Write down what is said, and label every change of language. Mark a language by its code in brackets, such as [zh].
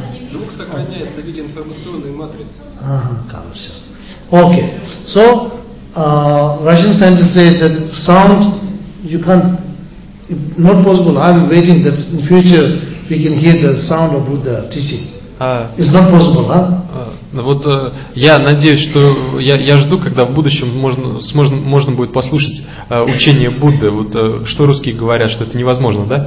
[ru] Звук сохраняется в виде информационной матрицы. Как все. [en] Okay, so Russian scientists say that sound you can't, not possible. I'm waiting that in future we can hear the sound of Buddha teaching. It's not possible, huh? [ru] Я надеюсь, что я жду, когда в будущем можно будет послушать учение Будды. Вот что русские говорят, что это невозможно, да?